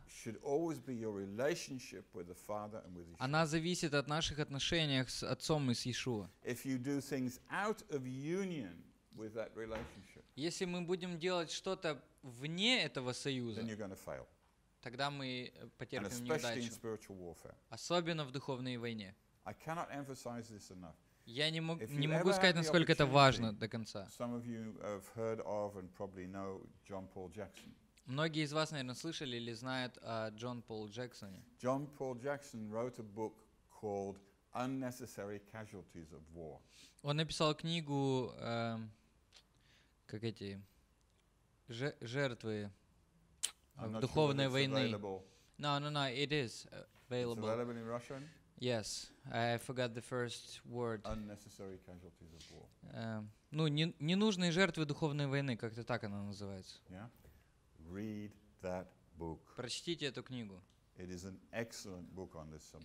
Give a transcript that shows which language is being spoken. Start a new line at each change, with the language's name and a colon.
English: Should always be your relationship with the Father and with Yeshua.
Russian: Она зависит от наших отношений с Отцом и с Иешуа.
English: If you do things out of union with that relationship.
Russian: Если мы будем делать что-то вне этого союза,
English: then you're going to fail.
Russian: Тогда мы потерпим неудачу.
English: And especially in spiritual warfare.
Russian: Особенно в духовной войне.
English: I cannot emphasize this enough.
Russian: Я не могу сказать, насколько это важно до конца.
English: Some of you have heard of and probably know John Paul Jackson.
Russian: Многие из вас, наверное, слышали или знают о Джон Пол Джексоне.
English: John Paul Jackson wrote a book called Unnecessary Casualties of War.
Russian: Он написал книгу, как эти, жертвы духовной войны.
English: No, it is available. It's available in Russian? Yes, I forgot the first word. Unnecessary Casualties of War.
Russian: Ненужные жертвы духовной войны, как-то так она называется.
English: Yeah? Read that book.
Russian: Прочтите эту книгу.
English: It is an excellent book on this subject.